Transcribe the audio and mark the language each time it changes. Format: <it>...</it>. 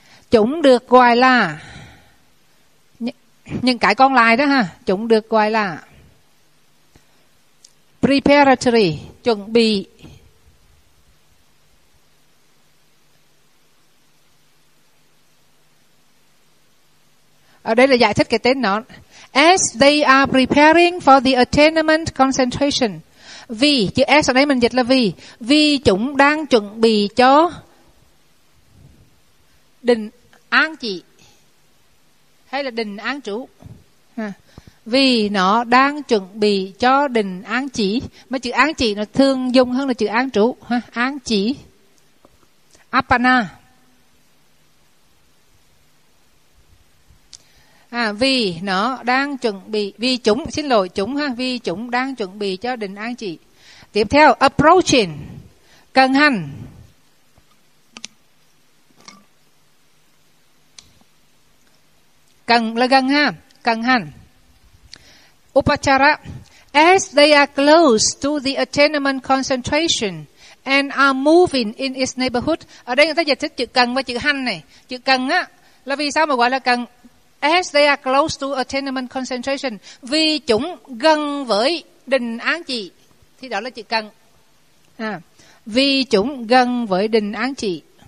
<vi>Chúng được gọi là những cái còn lại đó ha, chúng được gọi là preparatory, chuẩn bị. Ở đây là giải thích cái tên nó.</vi> <en>As they are preparing for the attainment concentration.</en> <vi>Vì, chữ S ở đây mình dịch là vì. Vì chúng đang chuẩn bị cho định an chỉ. Hay là định an trú. Vì nó đang chuẩn bị cho định an chỉ. Mà chữ an chỉ nó thường dùng hơn là chữ an trú. Ha? An chỉ. Appana. À, vì nó đang chuẩn bị. Vì chúng, xin lỗi chúng ha. Vì chúng đang chuẩn bị cho định an chỉ. Tiếp theo, approaching. Cần hành. Cần là gần ha. Cần hành. Upachara,</vi> <en>As they are close to the attainment concentration and are moving in its neighborhood.</en> <vi>Ở đây người ta giải thích chữ cần và chữ hành này. Chữ cần á là vì sao mà gọi là cần?</vi> <en>As they are close to attainment concentration,</en> <vi>vì chúng gần với định an chỉ, thì đó là chữ cần. À, vì chúng gần với định an chỉ.</vi>